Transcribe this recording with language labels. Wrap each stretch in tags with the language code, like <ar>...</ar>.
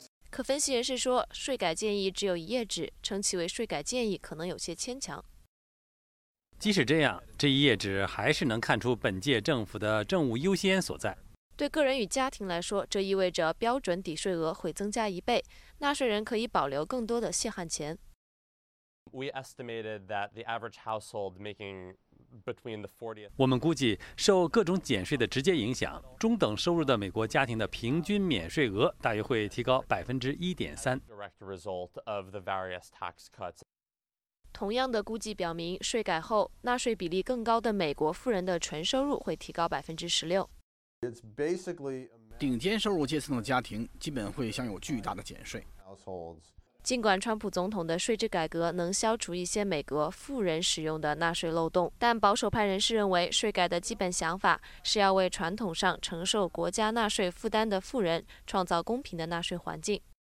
<zh>可分析人士说，税改建议只有一页纸，称其为税改建议可能有些牵强。即使这样，这一页纸还是能看出本届政府的政务优先所在。对个人与家庭来说，这意味着标准抵税额会增加1倍，纳税人可以保留更多的血汗钱。</zh> <en>We estimated that the average household making between the 40th.</en> <zh>我们估计，受各种减税的直接影响，中等收入的美国家庭的平均免税额大约会提高1.3%。</zh> <en>Direct result of the various tax cuts.</en> <zh>同样的估计表明，税改后，纳税比例更高的美国富人的纯收入会提高16%。</zh> <en>It's basically</en> <zh>顶尖收入阶层的家庭基本会享有巨大的减税。尽管川普总统的税制改革能消除一些美国富人使用的纳税漏洞，但保守派人士认为，税改的基本想法是要为传统上承受国家纳税负担的富人创造公平的纳税环境。</zh>